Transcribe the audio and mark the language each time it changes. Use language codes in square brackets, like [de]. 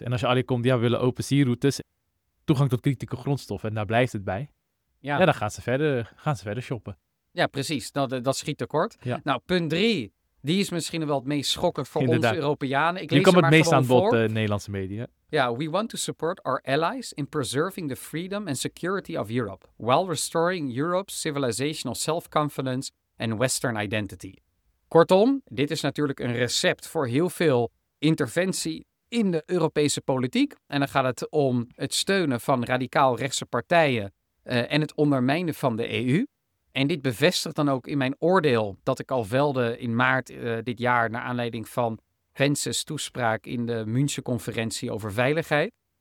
[nl] En als je alleen komt, ja, we willen open zeeroutes, toegang tot kritieke grondstoffen, en daar blijft het bij. Ja dan gaan ze verder shoppen. Ja, precies. Dat schiet tekort. Ja. Nou, punt 3, die is misschien wel het meest schokkend voor inderdaad ons Europeanen. Ik lees kom het meest aan bod, Nederlandse media. [en] Ja, we want to support our allies in preserving the freedom and security of Europe, while restoring Europe's civilizational self-confidence and Western identity. [nl] Kortom, dit is natuurlijk een recept voor heel veel interventie in de Europese politiek. En dan gaat het om het steunen van radicaal rechtse partijen en het ondermijnen van de EU. En dit bevestigt dan ook in mijn oordeel dat ik al velde in maart dit jaar, naar aanleiding van Wences toespraak in de Münchenconferentie over veiligheid.